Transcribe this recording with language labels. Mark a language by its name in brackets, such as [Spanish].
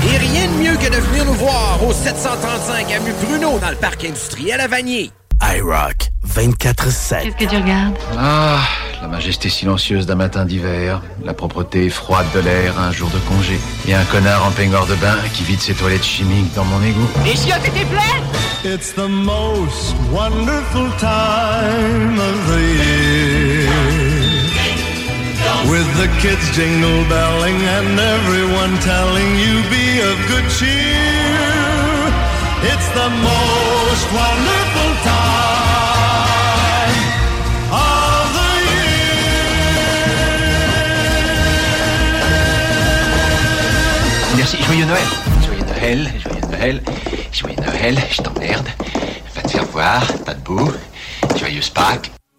[French] Et rien de mieux que de venir nous voir au 735 Avenue Bruneau dans le parc industriel à Vanier. IROCK 24-7. Qu'est-ce que tu regardes? Ah, la majesté silencieuse d'un matin d'hiver, la propreté froide de l'air un jour de congé, et un connard en peignoir de bain qui vide ses toilettes chimiques dans mon égout. Les chiottes étaient pleines! [English] It's the most wonderful time of the year. With the kids jingle belling and everyone telling you be of good cheer. It's the most wonderful time of the year. [French] Merci, joyeux Noël. Joyeux Noël, joyeux Noël, joyeux Noël, je t'emmerde. Va te faire voir, pas de boue, joyeuse Pâques.